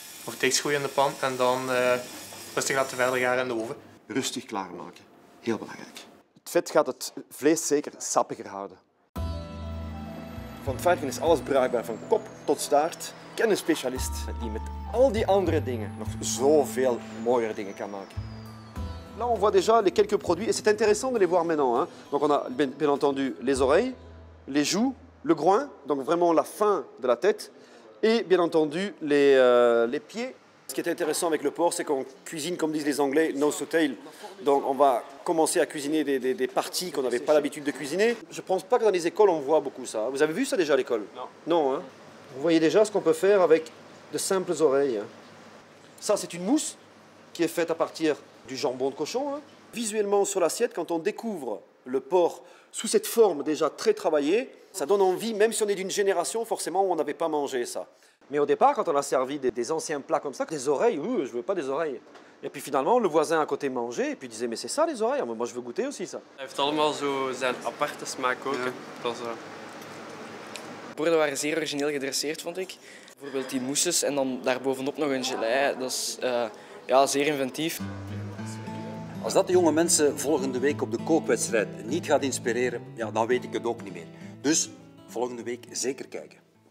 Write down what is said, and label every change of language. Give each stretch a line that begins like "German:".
Dutch: Of dichtschooien in de pan en dan rustig laten verder gaan in de oven. Rustig klaarmaken. Heel belangrijk. Het vet gaat het vlees zeker sappiger houden. Van het varken is alles bruikbaar, van kop tot staart. Ik ken een specialist die met al die andere dingen nog zoveel mooier dingen kan maken.
French: Là, on voit déjà les quelques produits et c'est intéressant de les voir maintenant. Hein. Donc, on a bien entendu les oreilles, les joues, le groin, donc vraiment la fin de la tête et bien entendu les pieds. Ce qui est intéressant avec le porc, c'est qu'on cuisine, comme disent les Anglais,
English: nose to tail.
French: Donc, on va commencer à cuisiner des parties qu'on n'avait pas l'habitude de cuisiner. Je ne pense pas que dans les écoles, on voit beaucoup ça. Vous avez vu ça déjà à l'école? Non. Non, hein. Vous voyez déjà ce qu'on peut faire avec de simples oreilles. Ça, c'est une mousse qui est faite à partir du jambon de cochon. Hein. Visuellement sur l'assiette, quand on découvre le porc sous cette forme déjà très travaillée, ça donne envie, même si on est d'une génération forcément où on n'avait pas mangé ça. Mais au départ, quand on a servi des anciens plats comme ça, des oreilles, je ne veux pas des oreilles. Et puis finalement, le voisin à côté mangeait et puis disait, mais c'est ça les oreilles, moi je veux goûter aussi ça.
Dutch: Il heeft allemaal zo zijn aparte smaak ook. Ja. Hè. De borden waren zeer origineel gedresseerd, vond ik. Bijvoorbeeld die mousses en dan daarbovenop nog een gelei. Dat is zeer inventief. Als dat de jonge mensen volgende week op de kookwedstrijd niet gaat inspireren, ja, dan weet ik het ook niet meer. Dus volgende week zeker kijken.